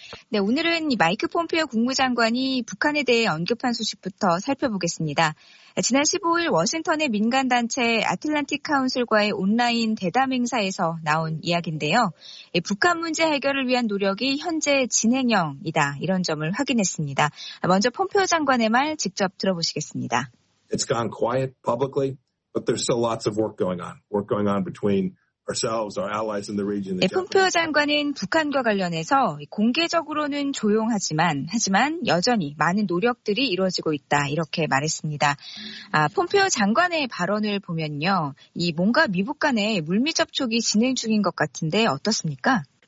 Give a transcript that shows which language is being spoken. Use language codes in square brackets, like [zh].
[ko] 네, 오늘은 마이크 폼페이오 국무장관이 북한에 대해 언급한 소식부터 살펴보겠습니다. 지난 15일 워싱턴의 민간단체 아틀란틱 카운슬과의 온라인 대담 행사에서 나온 이야기인데요. 북한 문제 해결을 위한 노력이 현재 진행형이다. 이런 점을 확인했습니다. 먼저 폼페이오 장관의 말 직접 들어보시겠습니다. [en] It's gone quiet publicly, but there's still lots of work going on. Work going on between ourselves, our allies in the region. [ko] 폼페이오 장관은 북한과 관련해서 공개적으로는 조용하지만 여전히 많은 노력들이 이루어지고 있다 이렇게 말했습니다. 폼페이오 장관의 발언을 보면요, 이 뭔가 미북 간의 물밑 접촉이 진행 중인 것 같은데 어떻습니까?